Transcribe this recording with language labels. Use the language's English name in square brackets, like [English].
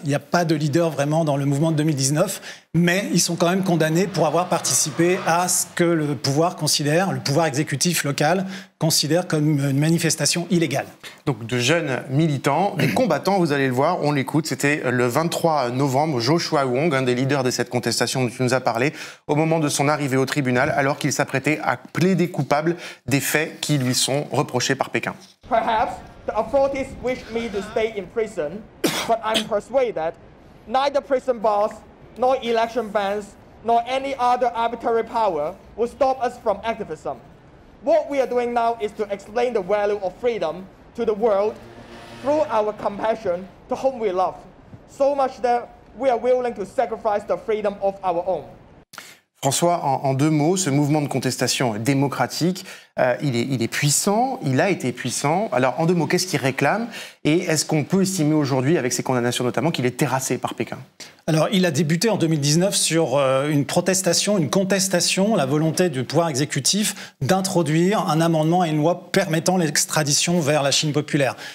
[French] Il n'y a pas de leader vraiment dans le mouvement de 2019, mais ils sont quand même condamnés pour avoir participé à ce que le pouvoir exécutif local considère comme une manifestation illégale. Donc, de jeunes militants, des combattants, vous allez le voir, on l'écoute. C'était le 23 novembre, Joshua Wong, un des leaders de cette contestation dont tu nous as parlé, au moment de son arrivée au tribunal, alors qu'il s'apprêtait à plaider coupable des faits qui lui sont reprochés par Pékin. [English] Perhaps the authorities wish me to stay in prison, but I'm persuaded neither prison bars, nor election bans, nor any other arbitrary power will stop us from activism. What we are doing now is to explain the value of freedom to the world through our compassion to whom we love, so much that we are willing to sacrifice the freedom of our own. [French] François, en deux mots, ce mouvement de contestation démocratique, il est puissant, il a été puissant. Alors, en deux mots, qu'est-ce qu'il réclame ? Et est-ce qu'on peut estimer aujourd'hui, avec ses condamnations notamment, qu'il est terrassé par Pékin ? Alors, il a débuté en 2019 sur une contestation, la volonté du pouvoir exécutif d'introduire un amendement à une loi permettant l'extradition vers la Chine populaire.